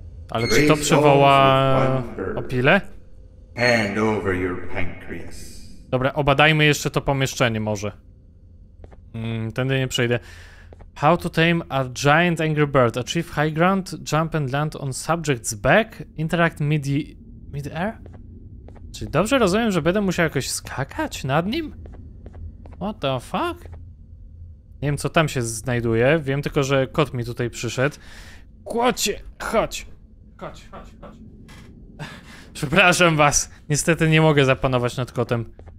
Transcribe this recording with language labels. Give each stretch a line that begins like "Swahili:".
Polish: Ale czy to przywoła opile?
English: Hand over your pancreas.
Polish: Dobra, obadajmy jeszcze to pomieszczenie może. Tędy nie przejdę.
English: How to tame a giant angry bird. Achieve high ground, jump and land on subject's back. Interact mid-air?
Polish: Czy dobrze rozumiem, że będę musiał jakoś skakać nad nim?
English: What the fuck?
Polish: Nie wiem, co tam się znajduje. Wiem tylko, że kot mi tutaj przyszedł. Kocie, chodź. Przepraszam was. Niestety nie mogę zapanować nad kotem.